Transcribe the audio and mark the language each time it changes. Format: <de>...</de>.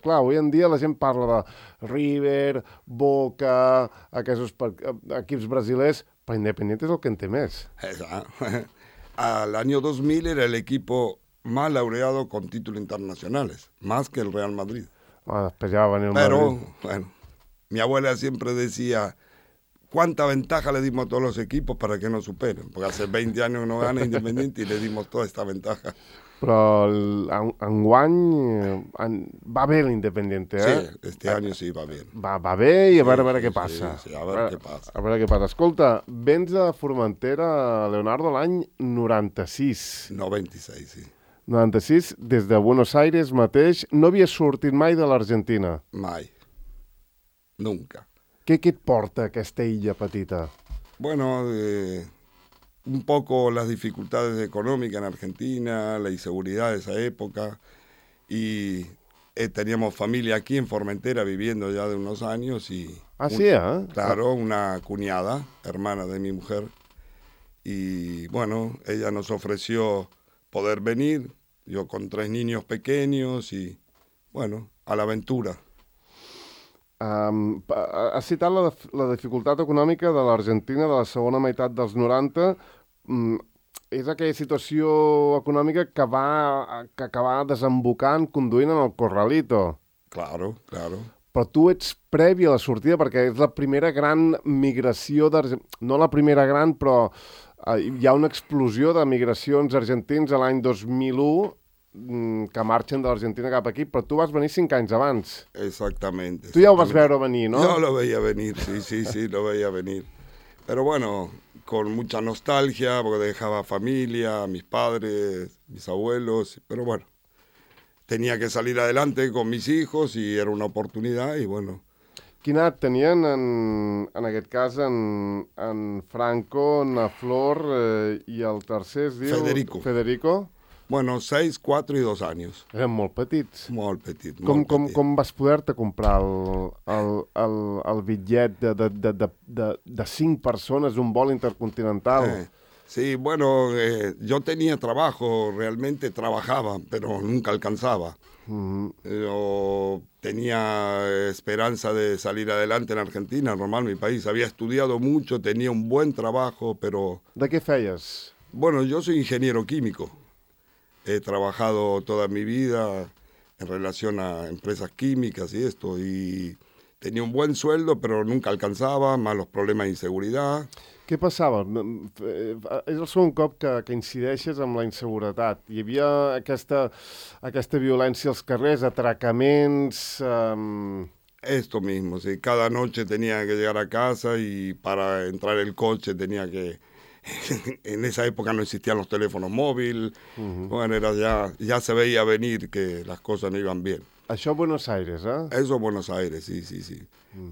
<ca>Clar, avui en dia la gent parla de River, Boca, aquests equips brasilers, però Independiente és el que en té més. Exacte. L'any 2000 era l'equip més</ca> <es>laureado con</es> <ca>títols internacionals, més que el Real Madrid. Després ja va venir el Madrid.</ca> <es>Però, bueno, mi abuela sempre decía cuánta ventaja le dimos a todos los equipos para que no superen, porque hace 20 años no gana Independiente y le dimos toda esta ventaja.</es> <ca>Però enguany va bé l'Independiente, eh?</ca> <es>Sí, este año sí va bien.</es> <ca>Va bé i a veure què passa. Sí, a veure què passa. A veure què passa. Escolta, vens de Formentera, Leonardo, l'any 96. 96, sí. 96, des de Buenos Aires mateix, no havia sortit mai de l'Argentina. Mai.</ca> <es>Nunca.</es> <ca>Què et porta aquesta illa petita?</ca> <es>Bueno, un poco las dificultades económicas en Argentina, la inseguridad de esa época, y teníamos familia aquí en Formentera viviendo ya de unos años. Y claro, una cuñada, hermana de mi mujer, y bueno, ella nos ofreció poder venir, yo con 3 niños pequeños, y bueno, a la aventura.</es> <ca>Has citat la dificultat econòmica de l'Argentina de la segona meitat dels 90. És aquella situació econòmica que acaba desembocant, conduint en el Corralito.</ca> <es>Claro, claro.</es> <ca>Però tu ets prèvi a la sortida, perquè és la primera gran migració d'Argentina. No la primera gran, però hi ha una explosió de migracions argentins a l'any 2001 que marxen de l'Argentina cap aquí, però tu vas venir 5 anys abans.</ca> <es>Exactamente.</es> <ca>Tu ja ho vas veure venir, no? Jo lo veia venir, sí, lo veia venir.</ca> <es>Però bueno, con mucha nostalgia, porque dejaba familia, mis padres, mis abuelos, pero bueno, tenía que salir adelante con mis hijos y era una oportunidad y bueno.</es> <ca>Quina edat tenien en aquest cas en Franco, en Flor i el tercer es diu Federico? Bueno, 6, 4 i 2 anys. Eren molt petits. Molt petits. Com vas poder-te comprar el bitllet de 5 persones, un vol intercontinental?</ca> <es>Sí, bueno, yo tenía trabajo, realmente trabajaba, pero nunca alcanzaba. Yo tenía esperanza de salir adelante en Argentina, normal, mi país. Había estudiado mucho, tenía un buen trabajo, pero...</es> <ca>¿De qué feies?</ca> <es>Bueno, yo soy ingeniero químico. He trabajado toda mi vida en relación a empresas químicas y esto, y tenía un buen sueldo, pero nunca alcanzaba, más los problemas de inseguridad. ¿Qué pasaba?</es> <ca>Es el segon cop que incideixes en la inseguretat. Hi havia aquesta violència als carrers, atracaments...</ca> <es>Esto mismo, sí. Cada noche tenía que llegar a casa y para entrar el coche tenía que... En esa época no existían los teléfonos móviles. Uh-huh. Bueno, era ya se veía venir que las cosas no iban bien.</es> <ca>Això a Buenos Aires, ¿eh?</ca> <es>Eso a Buenos Aires, sí. Uh-huh.</es>